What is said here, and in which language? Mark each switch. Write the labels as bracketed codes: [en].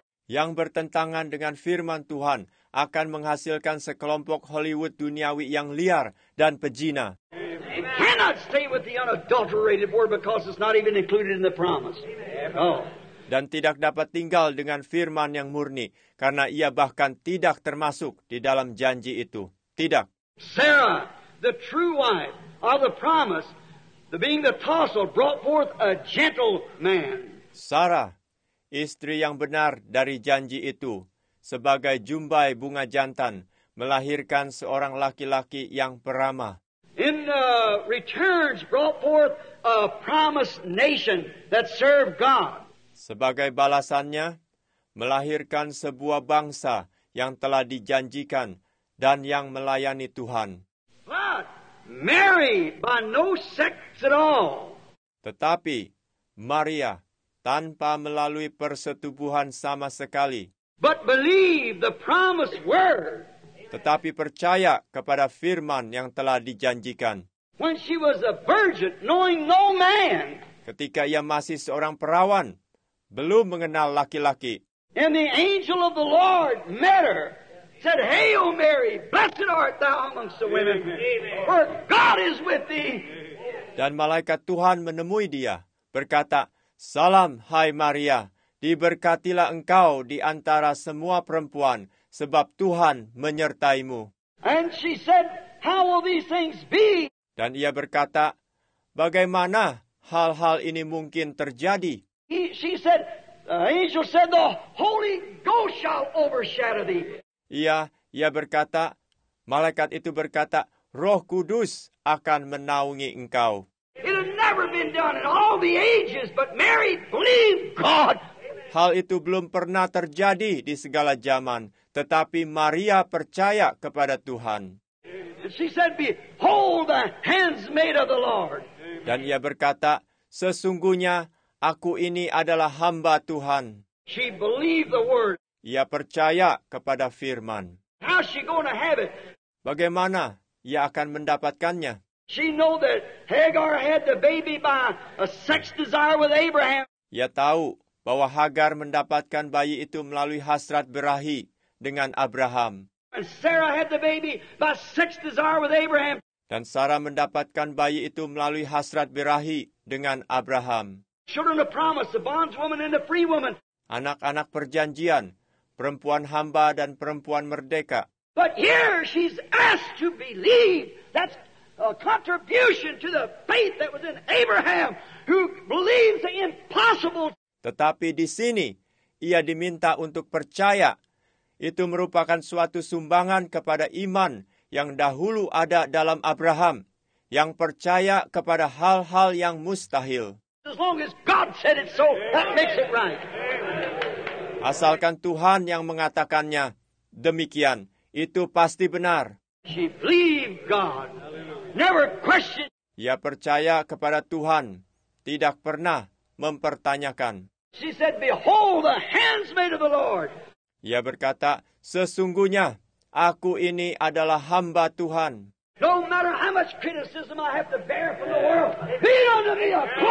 [id] Yang bertentangan dengan firman Tuhan akan menghasilkan sekelompok Hollywood duniawi yang liar dan pejina. [en] You cannot stay with the unadulterated word because it's not even included in the promise. No. [id] Dan tidak dapat tinggal dengan firman yang murni karena ia bahkan tidak termasuk di dalam janji itu. Tidak. [en] Sarah, the true wife of the promise, the being the tassel, brought forth a gentleman. [id] Sarah, istri yang benar dari janji itu, sebagai jumbai bunga jantan, melahirkan seorang laki-laki yang peramah. [en] In the returns brought forth a promised nation that served God. [id] Sebagai balasannya, melahirkan sebuah bangsa yang telah dijanjikan dan yang melayani Tuhan. [en] But Mary by no sex at all. [id] Tetapi Maria tanpa melalui persetubuhan sama sekali. [en] But believe the promised word. [id] Tetapi percaya kepada firman yang telah dijanjikan. [en] When she was a virgin, knowing no man. [id] Ketika ia masih seorang perawan, belum mengenal laki-laki. [en] And the angel of the Lord met her, said, "Hail Mary, blessed art thou amongst the women, for God is with thee." [id] Dan malaikat Tuhan menemui dia, berkata, "Salam, hai Maria, diberkatilah engkau di antara semua perempuan, sebab Tuhan menyertaimu." [en] And she said, "How will these things be?" [id] Dan ia berkata, "Bagaimana hal-hal ini mungkin terjadi?" [en] The angel said, "The Holy Ghost shall overshadow thee." [id] Ia berkata, malaikat itu berkata, Roh Kudus akan menaungi engkau. [en] It had never been done in all the ages, but Mary believed God. [id] Hal itu belum pernah terjadi di segala zaman, tetapi Maria percaya kepada Tuhan. [en] She said, "Behold the handmaid of the Lord." [id] Dan ia berkata, "Sesungguhnya aku ini adalah hamba Tuhan." [en] She believed the word. [id] Ia percaya kepada firman. [en] How is she going to have it? [id] Bagaimana ia akan mendapatkannya? [en] She know that Hagar had the baby by a sex desire with Abraham. [id] Ia tahu bahwa Hagar mendapatkan bayi itu melalui hasrat berahi dengan Abraham. [en] And Sarah had the baby by sex desire with Abraham. [id] Dan Sarah mendapatkan bayi itu melalui hasrat berahi dengan Abraham. [en] Children of promise, the bondswoman and the free woman. [id] Anak-anak perjanjian, perempuan hamba dan perempuan merdeka. [en] But here she's asked to believe. That's a contribution to the faith that was in Abraham, who believes the impossible. [id] Tetapi di sini ia diminta untuk percaya. Itu merupakan suatu sumbangan kepada iman yang dahulu ada dalam Abraham, yang percaya kepada hal-hal yang mustahil. [en] As long as God said it so, that makes it right. [id] Asalkan Tuhan yang mengatakannya demikian, itu pasti benar. [en] She believed God. Never questioned. [id] Ia percaya kepada Tuhan, tidak pernah mempertanyakan. [en] She said, "Behold the handmaid of the Lord." [id] Ia berkata, "Sesungguhnya aku ini adalah hamba Tuhan." [en] No matter how much criticism I have to bear from the world, be unto me a